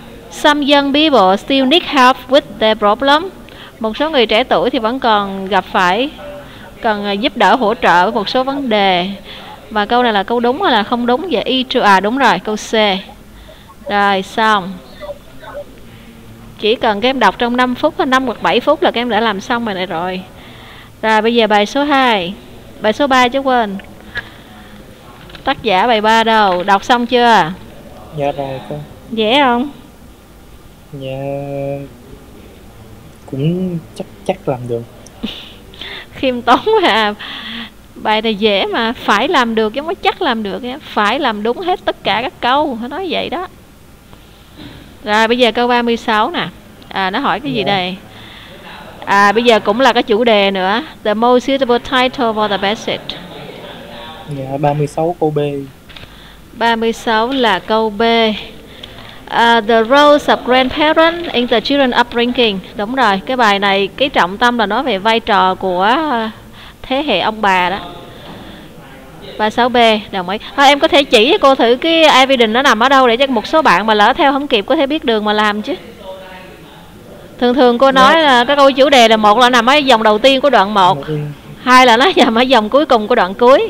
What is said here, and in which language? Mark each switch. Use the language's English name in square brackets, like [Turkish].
[English] Some young people still need help with their problem. [Vietnamese] Một số người trẻ tuổi thì vẫn còn gặp phải, cần giúp đỡ hỗ trợ một số vấn đề. Và câu này là câu đúng hay là không đúng? Và y true, à đúng rồi, câu C. Rồi xong. Chỉ cần các em đọc trong 5 phút, 5 hoặc 7 phút là các em đã làm xong bài này rồi. Rồi bây giờ bài số 2. Bài số 3 chứ quên. Tác giả bài 3 đâu? Đọc xong chưa? Dạ rồi cô. Dễ không? Dạ cũng chắc làm được. Khiêm tốn à. Bài này dễ mà. Phải làm được chứ không có chắc làm được. Phải làm đúng hết tất cả các câu. Nó nói vậy đó. Rồi bây giờ câu 36 nè. À nó hỏi cái gì đây? À bây giờ cũng là cái chủ đề nữa. [English] The most suitable title for the basic. [Vietnamese] Dạ 36 câu B. 36 là câu B. [English] The roles of grandparents in the children upbringing. [Vietnamese] Đúng rồi, cái bài này cái trọng tâm là nói về vai trò của thế hệ ông bà đó. 36B, đồng ý. Thôi em có thể chỉ cho cô thử cái evidence nó nằm ở đâu để cho một số bạn mà lỡ theo không kịp có thể biết đường mà làm chứ. Thường thường cô nói là cái câu chủ đề là một là nằm ở dòng đầu tiên của đoạn 1, hai là nó nằm ở dòng cuối cùng của đoạn cuối.